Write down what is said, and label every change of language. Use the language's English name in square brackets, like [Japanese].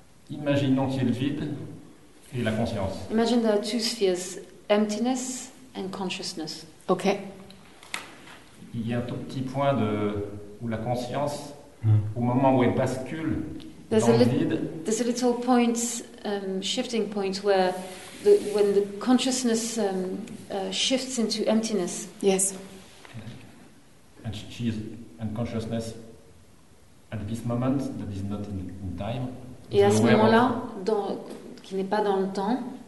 [French] Imaginons qu'il y ait le vide et la conscience. [English] Imagine the two spheres, emptiness. And consciousness. Okay. [French] Il y a un tout petit point de où la conscience, au moment où elle bascule [English] there's [French] dans le vide. [English] There's a little point, shifting point, where when the consciousness shifts into emptiness. Yes. And she is and consciousness at this moment that is not in time. [French] Et à ce moment-là, qui n'est pas dans le temps.